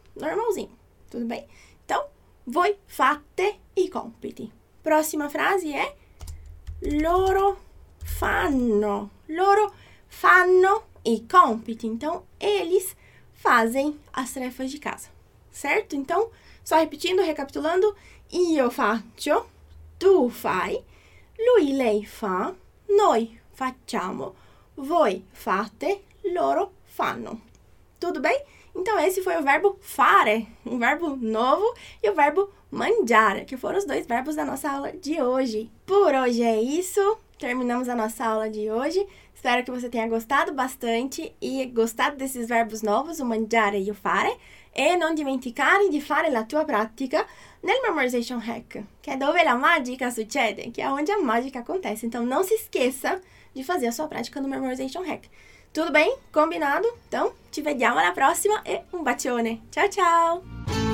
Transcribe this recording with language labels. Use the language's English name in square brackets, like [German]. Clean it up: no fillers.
[Portuguese] Normalzinho, tudo bem? Então, [Italian] voi fate i compiti. [Portuguese] Próxima frase é [Italian] loro fanno. Loro fanno i compiti. [Portuguese] Então, eles fazem as tarefas de casa. Certo? Então, só repetindo, recapitulando. [Italian] Io faccio, tu fai, lui lei fa, noi facciamo, voi fate, loro fanno. [Portuguese] Tudo bem? Então, esse foi o verbo fare, um verbo novo, e o verbo mangiare, que foram os dois verbos da nossa aula de hoje. Por hoje é isso. Terminamos a nossa aula de hoje. Espero que você tenha gostado bastante e gostado desses verbos novos, o mangiare e o fare. [Italian] E non dimenticare di fare la tua pratica nel Memorization Hack, che è dove la magica succede, che è [Portuguese] onde a magica acontece. Então, [Italian] non si esqueça di fare la sua pratica no Memorization Hack. [Portuguese] Tudo bem? Combinado? Então, [Italian] ci vediamo alla prossima e un bacione. Ciao, ciao!